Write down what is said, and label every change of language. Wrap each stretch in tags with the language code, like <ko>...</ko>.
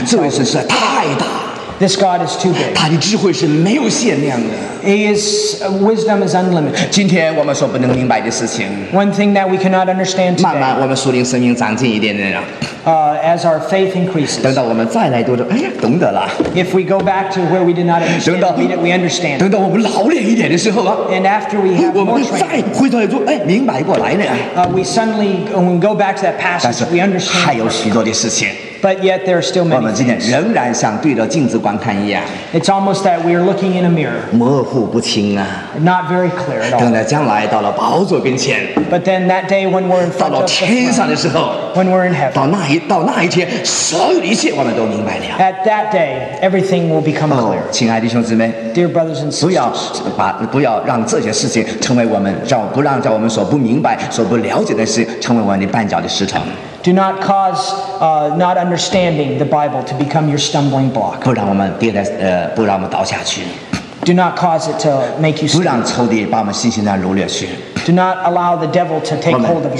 <zh>这位神实在太大。</zh> <en>This God is too big.</en> <zh>他的智慧是没有限量的。</zh> <en>His wisdom is unlimited.</en> <zh>今天我们所不能明白的事情。</zh> <en>One thing that we cannot understand today.</en> <zh>慢慢我们属灵生命长进一点点了。</zh> <en>As our faith increases.</en> <zh>等到我们再来读的，哎呀，懂得了。</zh> <en>If we go back to where we did not understand, we understand.</en> <zh>等到我们老练一点的时候啊。</zh> <en>And after we have more training.</en> <zh>我们再回头来读，哎，明白过来了。</zh> <en>We suddenly when we go back to that passage, we understand.</en> <zh>还有许多的事情。</zh> <en>But yet there are still many.</en> <zh>我们今天仍然像对着镜子观看一样。</zh> <en>It's almost that we are looking in a mirror.</en> <zh>模糊不清啊。</zh> <en>Not very clear at all.</en> <zh>等到将来到了宝座跟前。</zh> <en>But then that day when we're in front of the throne.</en> <zh>到了天上的时候。</zh> <en>When we're in heaven.</en> <zh>到那一天，所有的一切我们都明白了。</zh> <en>At that day, everything will become clear.</en> <zh>亲爱的弟兄姊妹。</zh> <en>Dear brothers and sisters.</en> <zh>不要让这些事情成为我们，让我们所不明白、所不了解的事成为我们的绊脚的石头。</zh> <en>Do not cause not understanding the Bible to become your stumbling block.</en> <zh>不让我们倒下去。</zh> <en>Do not cause it to make you stumble.</en> <zh>不让仇敌把我们信心的掳掠去。</zh> <en>Do not allow the devil to take hold of your faith.</en>